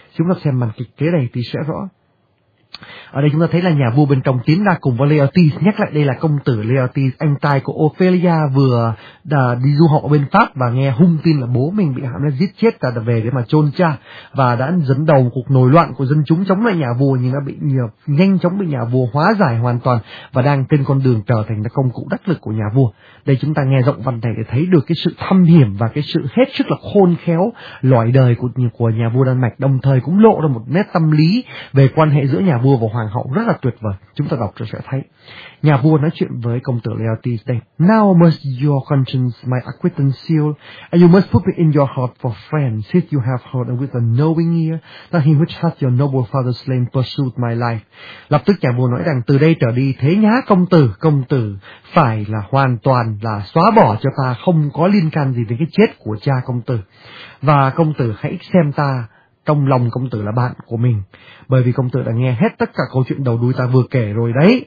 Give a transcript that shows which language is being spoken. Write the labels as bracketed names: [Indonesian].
[Vietnamese] Chúng ta xem màn kịch kế này thì sẽ rõ. Ở đây chúng ta thấy là nhà vua bên trong tiến ra cùng với Laertes, nhắc lại đây là công tử Laertes, anh trai của Ophelia, vừa đi du học ở bên Pháp và nghe hung tin là bố mình bị Hamlet giết chết và về để mà chôn cha, và đã dẫn đầu một cuộc nổi loạn của dân chúng chống lại nhà vua, nhưng đã bị nhanh chóng bị nhà vua hóa giải hoàn toàn và đang trên con đường trở thành công cụ đắc lực của nhà vua. Đây chúng ta nghe giọng văn này để thấy được cái sự thâm hiểm và cái sự hết sức là khôn khéo loại đời của nhà vua Đan Mạch, đồng thời cũng lộ ra một nét tâm lý về quan hệ giữa nhà vua và hoàng hậu rất là tuyệt vời. Chúng ta đọc cho sẽ thấy. Nhà vua nói chuyện với công tử Laertes đây. [English] Now must your conscience my acquittance seal, and you must put me in your heart for friend, since you have heard with a knowing ear that he which hath your noble father slain pursued my life. [Vietnamese] Lập tức nhà vua nói rằng từ đây trở đi thế nhá công tử phải là hoàn toàn là xóa bỏ cho ta, không có liên can gì đến cái chết của cha công tử. Và công tử hãy xem ta trong lòng công tử là bạn của mình, bởi vì công tử đã nghe hết tất cả câu chuyện đầu đuôi ta vừa kể rồi đấy.